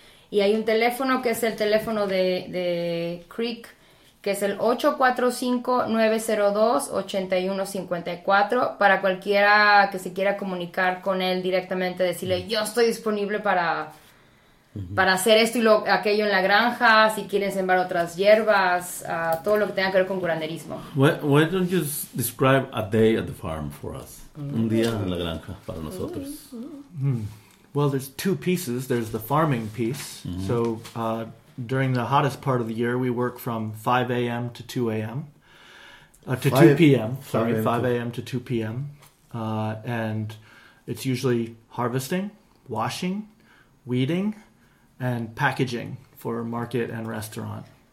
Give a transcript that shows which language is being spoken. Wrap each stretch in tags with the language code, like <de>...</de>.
<es>Y hay un teléfono que es el teléfono de Creek, que es el 845-902-8154, para cualquiera que se quiera comunicar con él directamente, decirle, yo estoy disponible para hacer esto y aquello en la granja, si quieren sembrar otras hierbas, todo lo que tenga que ver con curanderismo.</es> <en>Why don't you describe a day at the farm for us?</en> <es>Mm-hmm. Un día en la granja para nosotros.</es> <en>Mm-hmm. Well, there's two pieces. There's the farming piece. Mm-hmm. So during the hottest part of the year, we work from 5 a.m. to 2 a.m. To 2 p.m. Sorry, 5 a.m. to 2 p.m. And it's usually harvesting, washing, weeding, and packaging for market and restaurant.</en>